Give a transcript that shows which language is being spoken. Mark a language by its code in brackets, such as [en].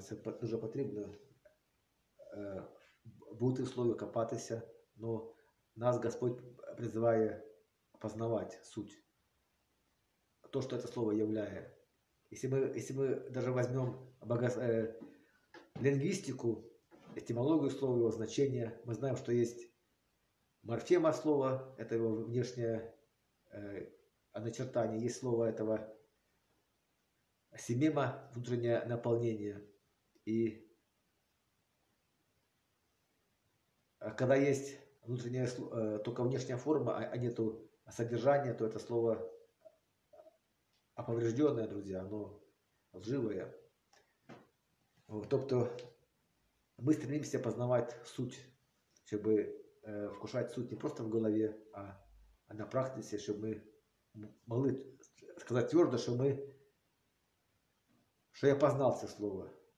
[uk] Це дуже потрібно бути в слові, копатися. Но нас Господь призиває познавати суть. То, що це слово являє. Якщо ми навіть візьмемо лінгвістику, [ru] этимологию слова, его значение. Мы знаем, что есть морфема слова, это его внешнее начертание. Есть слово этого семема, внутреннее наполнение. И когда есть внутренняя, только внешняя форма, а нету содержания, то это слово оповрежденное, друзья, оно лживое. [uk] Тобто ми стремимося познавати суть, щоб вкушати суть не просто в голові, а на практиці, щоб ми могли сказати твердо, що я познав це слово.